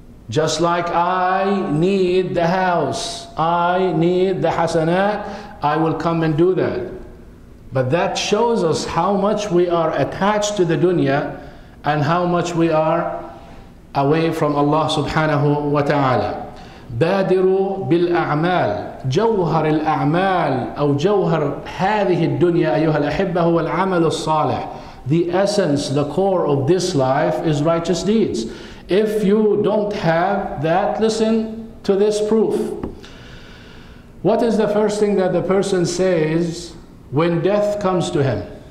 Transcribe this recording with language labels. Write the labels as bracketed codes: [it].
[en] Just like I need the house, I need the hasanat, I will come and do that. But that shows us how much we are attached to the dunya and how much we are away from Allah subhanahu wa ta'ala. [ar] بادروا بالأعمال جوهر الأعمال أو جوهر هذه الدنيا أيها الأحبة هو العمل الصالح. [en] The essence, the core of this life is righteous deeds. If you don't have that, listen to this proof. What is the first thing that the person says when death comes to him?